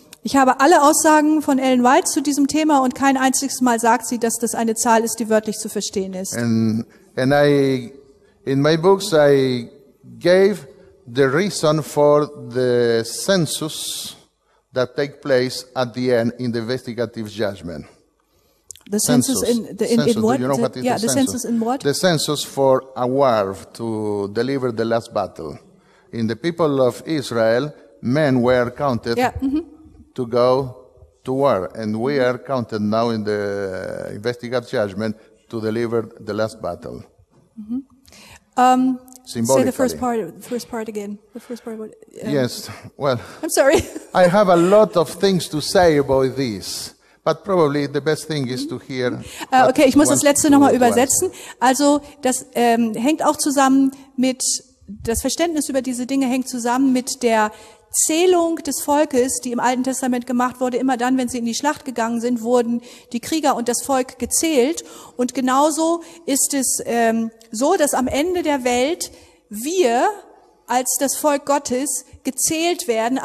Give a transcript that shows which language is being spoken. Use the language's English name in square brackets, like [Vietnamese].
[German] Ich habe alle Aussagen von Ellen White zu diesem Thema, und kein einziges Mal sagt sie, dass das eine Zahl ist, die wörtlich zu verstehen ist. [English] And I, in my books, I gave the reason for the census that take place at the end in the investigative judgment. The census in what? The census for a war to deliver the last battle. In the people of Israel, men were counted to go to war, and we are counted now in the investigative judgment to deliver the last battle. Mm-hmm. Symbolically. Say the first part again. The first part. Yes. Well. I'm sorry. I have a lot of things to say about this. But probably the best thing is to hear. [German] Okay, ich muss das letzte nochmal übersetzen. Also, das hängt auch zusammen mit, das Verständnis über diese Dinge hängt zusammen mit der Zählung des Volkes, die im Alten Testament gemacht wurde. Immer dann, wenn sie in die Schlacht gegangen sind, wurden die Krieger und das Volk gezählt. Und genauso ist es so, dass am Ende der Welt wir als das Volk Gottes gezählt werden.